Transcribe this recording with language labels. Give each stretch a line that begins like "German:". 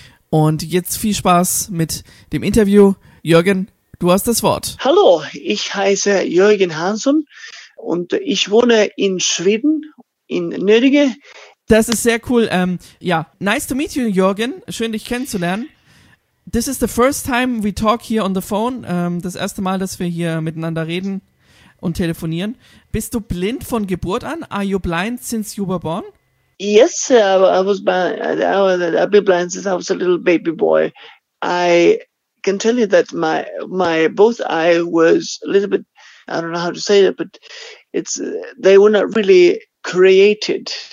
German: Und jetzt viel Spaß mit dem Interview. Jürgen, du hast das Wort. Hallo, ich heiße Jörgen Hansson und ich wohne in Schweden, in Nördinge. Das ist sehr cool.
English: Nice to meet you, Jürgen.
German: Schön, dich kennenzulernen.
English: This is the first time we talk here on the phone.
German: Das erste Mal, dass wir hier miteinander reden und telefonieren. Bist du blind von Geburt an?
English: Are you blind since you were born? Yes, I've been blind since I was a little baby boy. I can tell you that my both eye was a little bit, I don't know how to say it, but it's they were not really created.